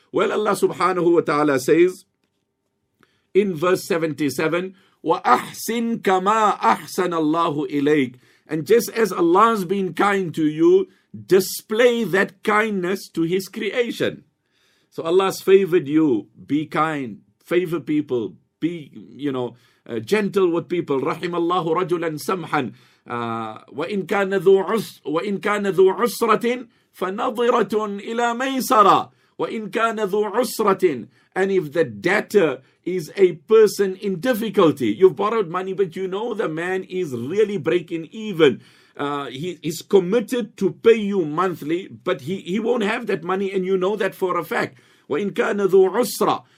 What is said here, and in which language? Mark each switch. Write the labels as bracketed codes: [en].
[en] Well, Allah subhanahu wa ta'ala says, in verse 77, [ar] وَأَحْسِنْ كَمَا أَحْسَنَ اللَّهُ إِلَيْكَ, [en] and just as Allah has been kind to you, display that kindness to His creation. So Allah has favored you, be kind, favor people, be, you know, gentle with people. [ar] رحم الله رجلا سمحا وإن كان ذو عسر وإن كان ذو عسرة فنظرة إلى ميسرة وإن كان ذو عسرة. [en] And if the debtor is a person in difficulty, you've borrowed money, but you know the man is really breaking even. He is committed to pay you monthly, but he won't have that money, and you know that for a fact. [ar] وَإِن كَانَ ذُو عُسْرَ.